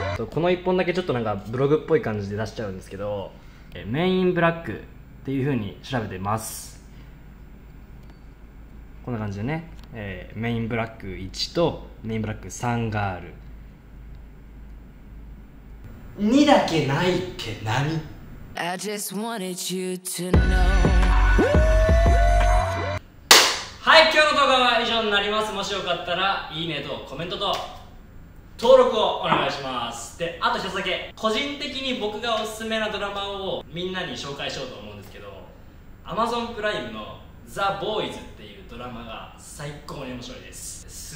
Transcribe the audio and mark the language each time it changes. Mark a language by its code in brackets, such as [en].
[ja] この一本だけちょっとなんかブログっぽい感じで出しちゃうんですけど、メインブラックっていう風に調べてます。こんな感じでね、メインブラック1とメインブラック3がある。 2だけないって何？ [en] I just wanted you to know。 [ja] はい、今日の動画は以上になります。もしよかったらいいねとコメントと登録をお願いします。で、あと一つだけ、個人的に僕がおすすめなドラマをみんなに紹介しようと思うんですけど、 Amazon プライムのザ・ボーイズっていうドラマが最高に面白いです。